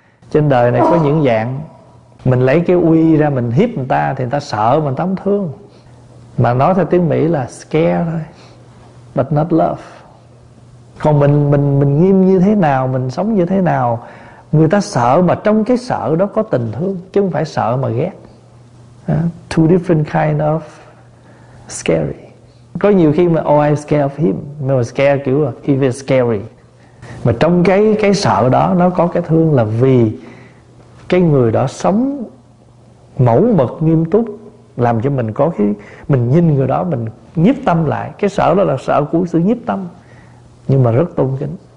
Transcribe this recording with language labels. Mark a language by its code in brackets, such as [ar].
[vi] Trên đời này có những dạng, mình lấy cái uy ra mình hiếp người ta thì người ta sợ mà người ta không thương. Mà nói theo tiếng Mỹ là [en] scare [vi] thôi, [en] but not love. [vi] Còn mình nghiêm như thế nào, mình sống như thế nào, người ta sợ mà trong cái sợ đó có tình thương, chứ không phải sợ mà ghét. [en] Two different kind of scary. [vi] Có nhiều khi mà [en] oh I'm scared of him, [vi] mà [en] scared [vi] kiểu là [en] he is scary. [vi] Mà trong cái sợ đó nó có cái thương, là vì cái người đó sống mẫu mực nghiêm túc, làm cho mình có cái, mình nhìn người đó mình nhiếp tâm lại. Cái sợ đó là sợ của sự nhiếp tâm, nhưng mà rất tôn kính.